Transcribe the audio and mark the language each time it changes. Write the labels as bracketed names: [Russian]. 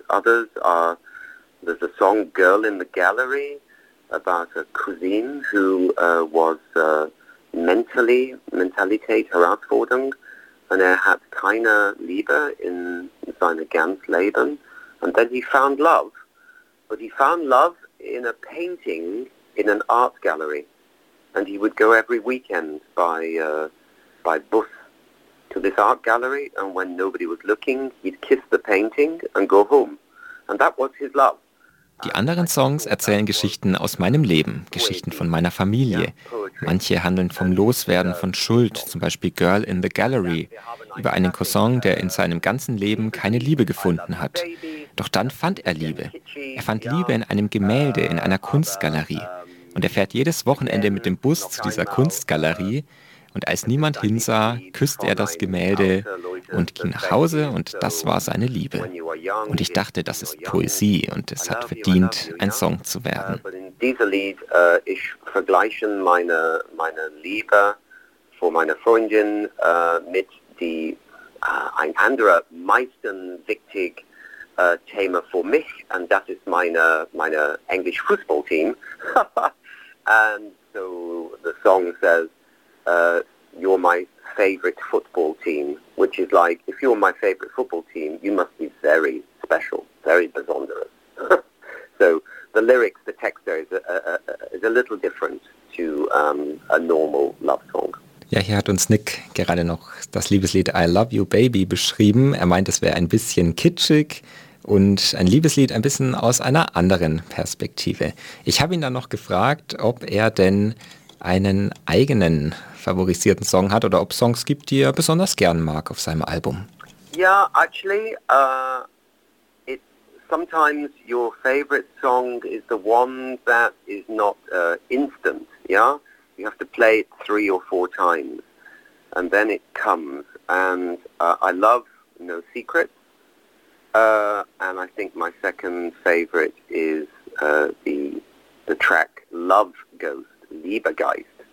[English] Others are, there's a song, Girl in the Gallery, about a cousine who was [German] mentalität herausfordernd, [English] and [German] er hat keine Liebe in seine ganz Leben, [English] and then he found love, but he found love in a painting in an art gallery, and he would go every weekend by bus to this art gallery, and when nobody was looking, he'd kiss the painting and go home, and that was his love. [German] Die anderen Songs erzählen Geschichten aus meinem Leben, Geschichten von meiner Familie. Manche handeln vom Loswerden von Schuld, zum Beispiel Girl in the Gallery, über einen Cousin, der in seinem ganzen Leben keine Liebe gefunden hat. Doch dann fand er Liebe. Er fand Liebe in einem Gemälde, in einer Kunstgalerie. Und er fährt jedes Wochenende mit dem Bus zu dieser Kunstgalerie. Und als niemand hinsah, küsste er das Gemälde und ging nach Hause, und das war seine Liebe. Und ich dachte, das ist Poesie und es hat verdient, ein Song zu werden. In diesem Lied ich vergleiche meine Liebe für meine Freundin mit die ein anderer meisten wichtig Thema für mich, und das ist meine English Football Team. [English] And so the song says, you're my favorite football team, which is like, if you're my favorite football team, you must be very special, very besonderous. So the lyrics, the text there is a little different to a normal love song. [German] Ja, hier hat uns Nick gerade noch das Liebeslied I Love You Baby beschrieben. Er meint, es wäre ein bisschen kitschig und ein Liebeslied ein bisschen aus einer anderen Perspektive. Ich habe ihn dann noch gefragt, ob er denn einen eigenen favorisierten Song hat oder ob Songs gibt, die er besonders gern mag auf seinem Album. [English] Yeah, actually, it's sometimes your favorite song is the one that is not instant, yeah? You have to play it 3 or 4 times and then it comes. And I love No Secrets, and I think my second favorite is the track Love Ghost, Liebegeist.